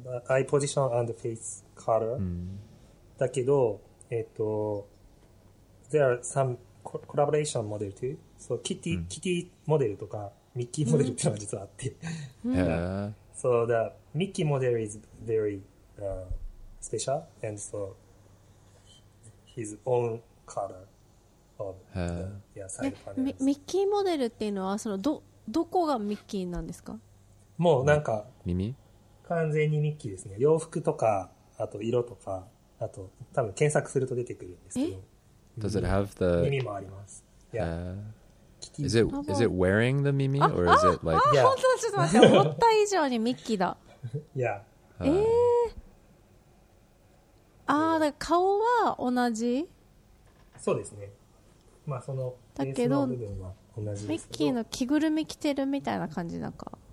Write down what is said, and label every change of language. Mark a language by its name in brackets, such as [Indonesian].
[English] But eye position and face color. だけど、there are some collaboration model too. [Japanese] So, Kitty, Kitty model とか Mickey model っていうのが実はあって。 [English] So, the Mickey model is very special. And so... His own color of the, yeah, side panels. [Japanese] ミッキーモデルっていうのはそのどこがミッキーなんですか？もうなんか耳？完全にミッキーですね。洋服とかあと色とかあと多分検索すると出てくるんですけど。 [English] Does it have the [Japanese] 耳もあります。 [English] Yeah. Is it wearing the 耳 or is it like? [Japanese] あ、本当ちょっと待って思った以上にミッキーだ。 [English] Yeah. [Japanese] ああ、だから顔は同じ？そうですね。まあ、その、ベースの部分は同じですけど。ミッキーの着ぐるみ着てるみたいな感じなんか。